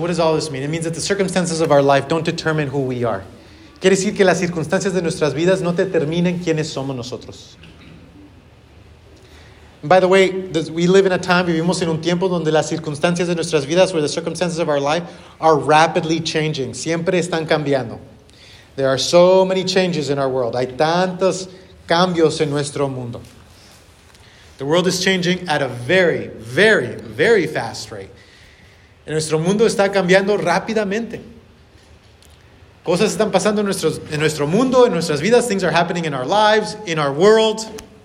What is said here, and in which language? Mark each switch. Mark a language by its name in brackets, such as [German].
[English] What does all this mean? It means that the circumstances of our life don't determine who we are. [Spanish] Quiere decir que las circunstancias de nuestras vidas no determinan quiénes somos nosotros. [English] And by the way, we live in a time, [Spanish] vivimos en un tiempo donde las circunstancias de nuestras vidas, [English] where the circumstances of our life are rapidly changing. [Spanish] Siempre están cambiando. [English] There are so many changes in our world. [Spanish] Hay tantos cambios en nuestro mundo. [English] The world is changing at a very, very, very fast rate. [Spanish] En nuestro mundo está cambiando rápidamente. Cosas están pasando en nuestro mundo, en nuestras vidas. [English] Things are happening in our lives, in our world.